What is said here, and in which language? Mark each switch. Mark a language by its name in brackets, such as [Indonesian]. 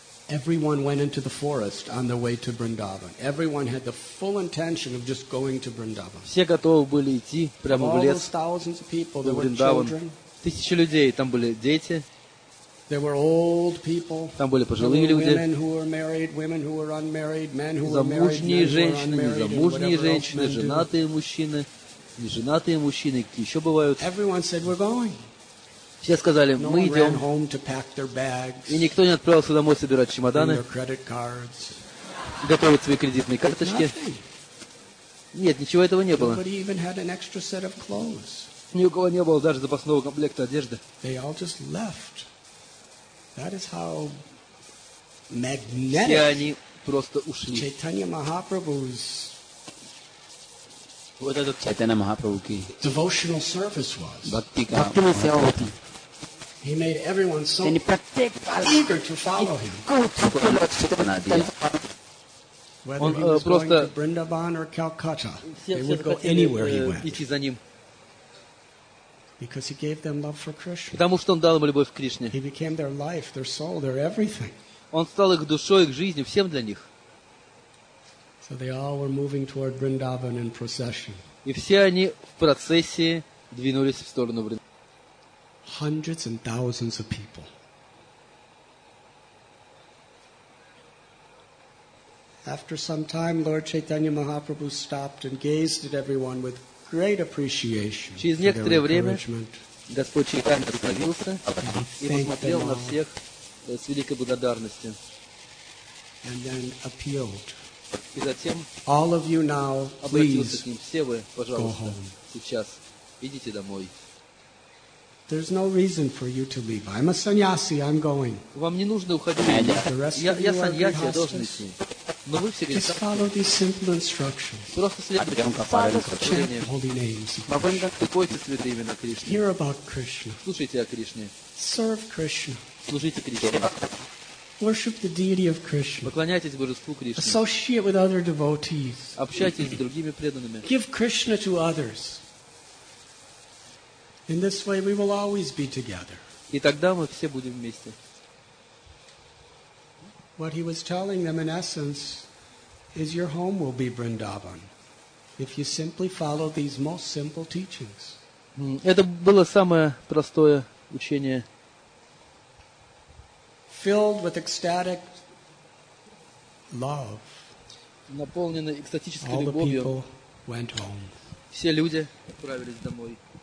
[English] Everyone went into the forest on their way to Vrindavan. Everyone had the full intention of just going to Vrindavan. [Russian] Все готовы были идти прямо в лес. [English] Thousands of people, there were children. [Russian] Тысячи людей, там были дети. [English] There were old people. [Russian] Там были пожилые люди. [English] Women who were married, women who were unmarried, men who were married. [Russian] Замужние женщины, незамужние женщины, женатые мужчины, неженатые мужчины, какие еще бывают. [English] Everyone said we're going. [Russian] Все сказали: «Мы идем». [English] No one ran home to pack their bags. [Russian] И никто не отправился домой собирать чемоданы, [English] their credit cards. [Russian] Готовить свои кредитные карточки. Нет, ничего этого не было. [English] Nobody even had an extra set of clothes. [Russian] Ни у кого не было даже запасного комплекта одежды. [English] They all just left. That is how magnetic. [Russian] Все они просто ушли. [English] Chaitanya Mahaprabhu's. [Russian] Вот этот Чайтанья Махапрабху ки. [English] Devotional service was. [Russian] Бхакти ка. Бхактими севаоти. [English] He made everyone so eager to follow him. Whether he was going to Vrindavan or Calcutta, they would go anywhere he went. Because he gave them love for Krishna. [Russian] Потому что он дал им любовь к Кришне. [English] He became their life, their soul, their everything. [Russian] Он стал их душой, их жизнью, всем для них. [English] So they all were moving toward Vrindavan in procession. [Russian] И все они в процессии двинулись в сторону Вриндавана. [English] Hundreds and thousands of people. After some time, Lord Chaitanya Mahaprabhu stopped and gazed at everyone with great appreciation. [Russian] Через некоторое время Господь Чайтанья остановился и посмотрел на всех с великой благодарностью. [English] And then appealed. [Russian] И затем [English] all of you now, [Russian] обратился к ним. Все вы, пожалуйста, сейчас идите домой. [English] There's no reason for you to leave. I'm a sannyasi. I'm going. [Russian] Вам не нужно уходить. Я сан-яси, я должен идти. Но вы все [English] just follow these simple instructions. [Russian] Просто следуйте инструкциям. [English] Holy names. [Russian] Пойте святые имена Кришны. [English] Hear about Krishna. [Russian] Слушайте о Кришне. [English] Serve Krishna. [Russian] Служите Кришне. [English] Worship the deity of Krishna. [Russian] Поклоняйтесь божеству Кришне. [English] Associate with other devotees. [Russian] Общайтесь с другими преданными. [English] Give Krishna to others. In this way, we will always be together. [Russian] И тогда мы все будем вместе. [English] What he was telling them, in essence, is your home will be Vrindavan if you simply follow these most simple teachings. [Russian] Это было самое простое учение. [English] Filled with ecstatic love. [Russian] Наполнены экстатической любовью. [English] All the people went home. [Russian] Все люди отправились домой.